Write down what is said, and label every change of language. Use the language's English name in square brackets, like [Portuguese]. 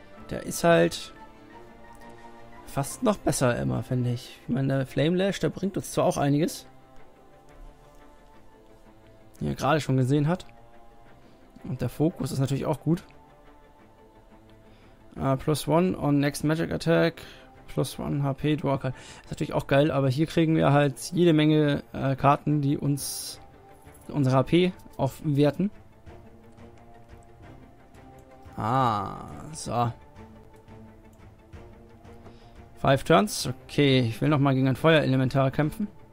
[German] Der ist halt fast noch besser immer, finde ich. Ich meine, der Flame Lash, der bringt uns zwar auch einiges. Wie er gerade schon gesehen hat. Und der Fokus ist natürlich auch gut. [English] Plus one on next magic attack. Plus one HP draw card. [German] Ist natürlich auch geil, aber hier kriegen wir halt jede Menge Karten, die uns unsere HP aufwerten. Ah, so. 5 Turns. Okay, ich will nochmal gegen ein Feuerelementar kämpfen.